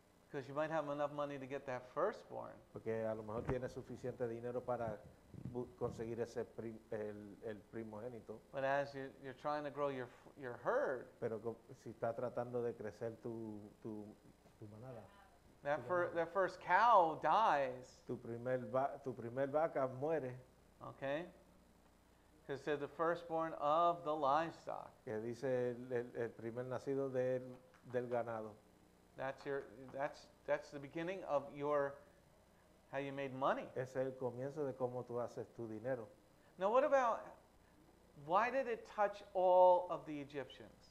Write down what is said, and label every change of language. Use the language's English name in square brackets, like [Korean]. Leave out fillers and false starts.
[English] Because you might have enough money to get that firstborn. [Spanish] Porque a lo mejor tiene suficiente dinero para conseguir ese el primogénito. [English] But as you're trying to grow your herd. [Spanish] Pero si está tratando de crecer tu manada. [English] That first cow dies. [Spanish] Tu primer vaca muere. [English] Okay. Because it says the firstborn of the livestock. [Spanish] Que dice el primer nacido del ganado. [English] That's the beginning of your how you made money. [Spanish] Es el comienzo de cómo tú haces tu dinero. [English] Now what about why did it touch all of the Egyptians?